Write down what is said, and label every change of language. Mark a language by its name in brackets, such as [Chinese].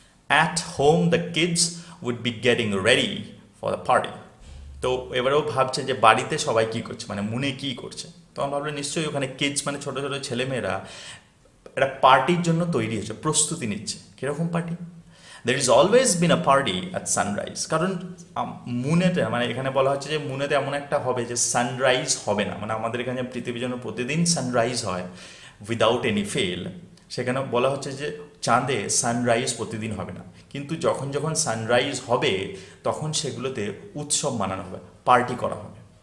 [English] At home the kids would be getting ready for the party. [Bangla] তো এবারেও ভাবছে যে বাড়িতে সবাই কী করছে, মানে মুনে কী করছে। তখন ভাবলো নিশ্চয়ই ওখানে কিডস মানে ছোটো ছোটো ছেলেমেয়েরা একটা পার্টির জন্য তৈরি হচ্ছে, প্রস্তুতি নিচ্ছে। কীরকম party? [English] There is always been a party at sunrise. [Bangla] কারণ মুনেতে মানে এখানে বলা হচ্ছে যে মুনেতে এমন একটা হবে যে সানরাইজ হবে না, মানে আমাদের এখানে পৃথিবীর জন্য প্রতিদিন সানরাইজ হয় [English] Without any fail. [Bangla] সেখানে বলা হচ্ছে যে চাঁদে সানরাইজ প্রতিদিন হবে না, কিন্তু যখন যখন সানরাইজ হবে তখন সেগুলোতে উৎসব মানানো হবে, পার্টি করা হবে।